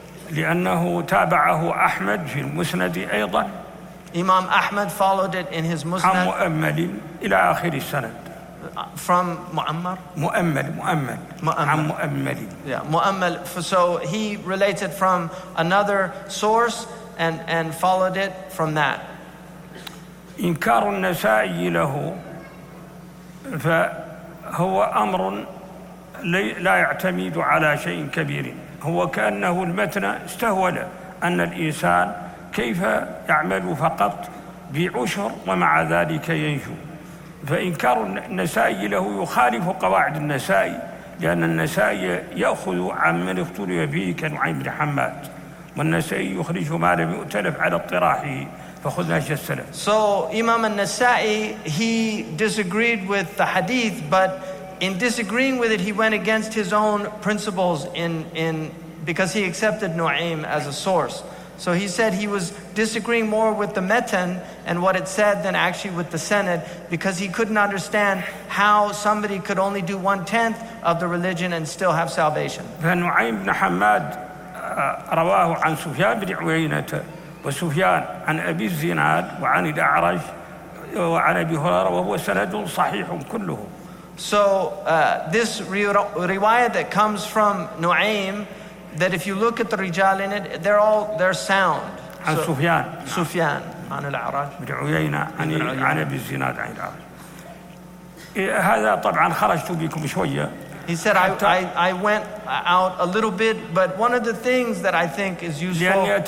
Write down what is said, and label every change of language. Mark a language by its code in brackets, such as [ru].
[ar] لأنه تابعه أحمد في المسند أيضا. [en] Imam Ahmad followed it in his Musnad. [ar] عن مؤمل إلى آخر السند. [en] From مؤمر. [ar] مؤمل. مؤمل. عن مؤمل. [en] Yeah, مؤمل. So he related from another source and followed it from that. [ar] إنكار النسائي له فهو أمر لا يعتمد على شيء كبير. هو كأنه المتن استهول أن الإنسان كيف يعمل فقط بعشر ومع ذلك ينجو، فإنكار النسائي له يخالف قواعد النسائي، لأن النسائي يأخذ عن من اختلف فيه كنعيم بن حماد، والنسائي يخرج ما لم يؤتلف على اطراحه، [en] So Imam al-Nasa'i, he disagreed with the hadith, but in disagreeing with it, he went against his own principles in because he accepted Nu'aym as a source. So he said he was disagreeing more with the metan and what it said than actually with the senate, because he couldn't understand how somebody could only do 1/10 of the religion and still have salvation. [ar] Nu'aym ibn Hamad رواه عن سفيان بن عيينة وسفيان عن أبي الزناد وعن الأعرج وعن أبي هريرة وهو سند صحيح كله. [en] So this riwayah that comes from Nu'aym, that if you look at the rijal in it, they're sound. [ar] عن سفيان. سفيان عن الأعرج. بن عيينة عن أبي الزناد عن الأعرج. هذا طبعا خرجت بكم شوية. [en] He said, I went out a little bit, but one of the things that I think is useful...